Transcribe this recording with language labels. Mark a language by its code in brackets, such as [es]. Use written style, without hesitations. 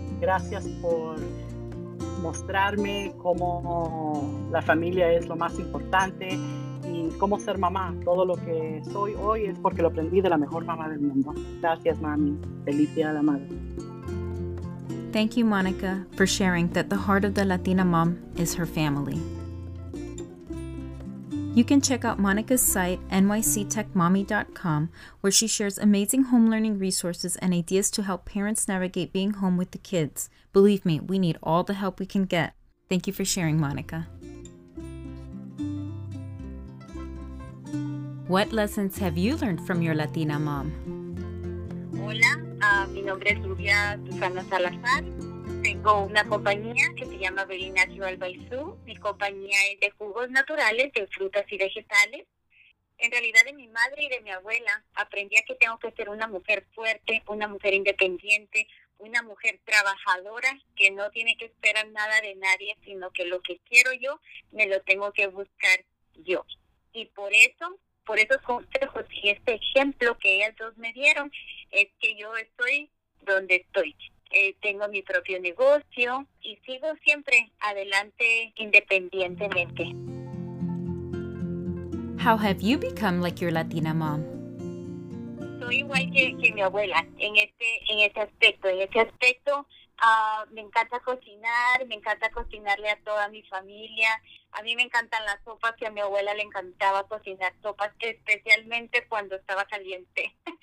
[es] Gracias por mostrarme cómo la familia es lo más importante y cómo ser mamá. Todo lo que soy hoy es porque lo aprendí de la mejor mamá del mundo. Gracias, mami. Feliz día de la madre. [en] Thank you, Monica, for sharing that the heart of the Latina mom is her family. You can check out Monica's site, nyctechmommy.com, where she shares amazing home learning resources and ideas to help parents navigate being home with the kids. Believe me, we need all the help we can get. Thank you for sharing, Monica. What lessons have you learned from your Latina mom? [es] Hola, mi nombre es Lucia Susana Salazar. Tengo una compañía que se llama Very Natural by Sue. Mi compañía es de jugos naturales, de frutas y vegetales. En realidad, de mi madre y de mi abuela, aprendí a que tengo que ser una mujer fuerte, una mujer independiente, una mujer trabajadora, que no tiene que esperar nada de nadie, sino que lo que quiero yo, me lo tengo que buscar yo. Y por esos consejos y este ejemplo que ellas dos me dieron, es que yo estoy donde estoy. Tengo mi propio negocio y sigo siempre adelante independientemente. [en] How have you become like your Latina mom? [es] Soy igual que mi abuela en este aspecto. En este aspecto me encanta cocinar, me encanta cocinarle a toda mi familia. A mí me encantan las sopas y a mi abuela le encantaba cocinar sopas, especialmente cuando estaba caliente.